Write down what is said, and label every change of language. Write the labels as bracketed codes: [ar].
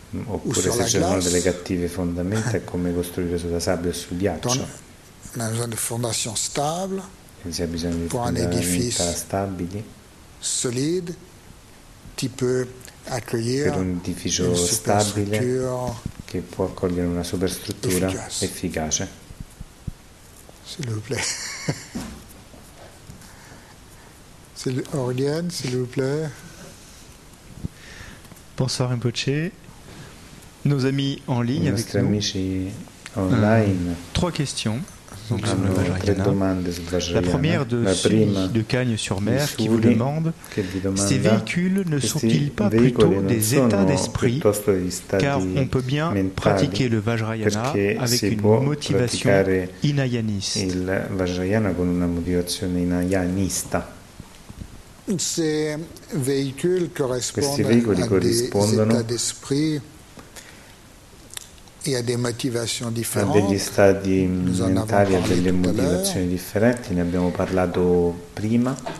[it] Oppure se ci sono delle cattive fondamenta è come costruire sulla sabbia o sul ghiaccio. [fr] On a besoin de fondation stable. [it] Quindi si ha bisogno di fondamenta stabili, [fr] solide, qui peut accueillir [it] per un edificio stabile che può accogliere una superstruttura efficace. [fr] S'il vous plaît. S'il Aurélien, s'il vous plaît. Bonsoir Rinpoche. Nos amis en ligne avec nous. [it] Amici online. [fr] Trois questions. Donc, la première de Sully de Cagnes-sur-Mer qui vous demande, ces véhicules ne sont-ils pas plutôt des états d'esprit, car on peut bien pratiquer le Vajrayana avec une motivation hinayaniste. [it] Il Vajrayana con una motivazione hinayanista. [fr] Ces véhicules [it] corrispondono [fr] a des états d'esprit. [it] E a delle motivazioni differenti. A degli stati mentali, a delle motivazioni differenti, ne abbiamo parlato prima.